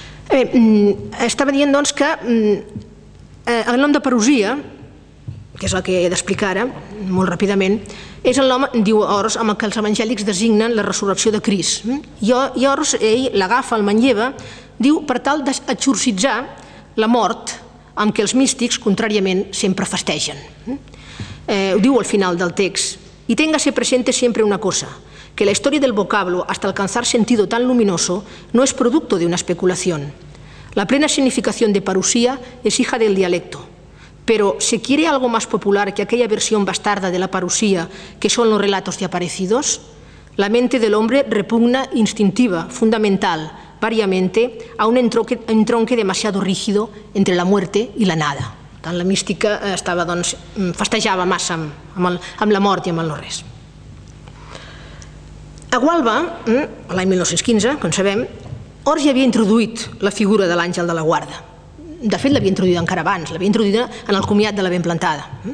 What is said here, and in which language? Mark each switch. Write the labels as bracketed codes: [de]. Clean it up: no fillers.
[ca] Estava dient, doncs, que el nom de Parusia, que és el que he d'explicar ara, molt ràpidament, és el nom, diu Ors, amb el que els evangèlics designen la resurrecció de Crist. I Ors, ell l'agafa, el manlleva, diu, per tal d'exorcitzar la mort amb què els místics, contràriament, sempre festegen. Ho diu al final del text. [es] I téngase presente siempre una cosa, que la historia del vocablo, hasta alcanzar sentido tan luminoso, no es producto de una especulación. La plena significación de parusía es hija del dialecto. Pero ¿se quiere algo más popular que aquella versión bastarda de la parusía que son los relatos de aparecidos? La mente del hombre repugna instintiva, fundamental, variamente, a un entronque demasiado rígido entre la muerte y la nada. [ca] Tant la mística estava, doncs, festejava massa amb la mort i amb el no res. A Gualba, l'any 1915, com sabem, Ors ja havia introduït la figura de l'àngel de la guarda. De fet, l'havia introduïda encara abans, l'havia introduïda en el comiat de la ben plantada.